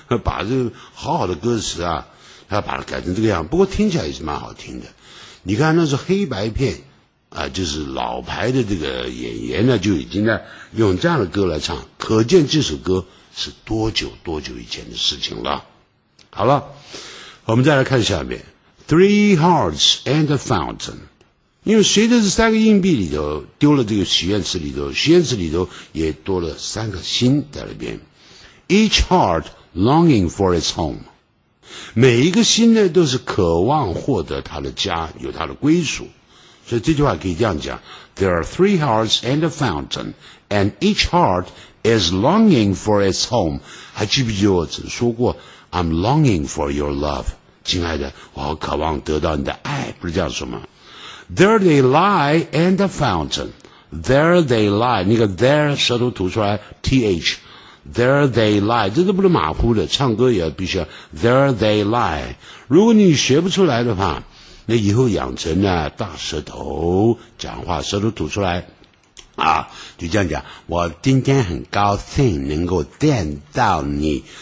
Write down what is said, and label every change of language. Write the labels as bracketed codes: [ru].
[zh] 把这个好好的歌词啊，他把它改成这个样，不过听起来也是蛮好听的。你看那是黑白片啊，就是老牌的这个演员呢就已经呢用这样的歌来唱，可见这首歌是多久多久以前的事情了。好了，我们再来看下面 Three Hearts and a Fountain。因为随着这三个硬币里头丢了这个许愿池里头，许愿池里头也多了三个心在那边， [en] Each heart longing for its home， [zh] 每一个心呢都是渴望获得他的家，有他的归属。所以这句话可以这样讲， [en] There are three hearts and a fountain, and each heart is longing for its home. [zh] 还记不记得我曾说过， [en] I'm longing for your love. [zh] 亲爱的，我好渴望得到你的爱，不是这样说吗？ [en] There they lie and a fountain. There they lie. [zh] 那个 there 舌头吐出来 ,th. [en] There they lie. [zh] 这都不是马虎的，唱歌也必须要 [en] There they lie. [zh] 如果你学不出来的话，那以后养成呢大舌头讲话，舌头吐出来啊，就这样讲，我今天很高兴能够见到你。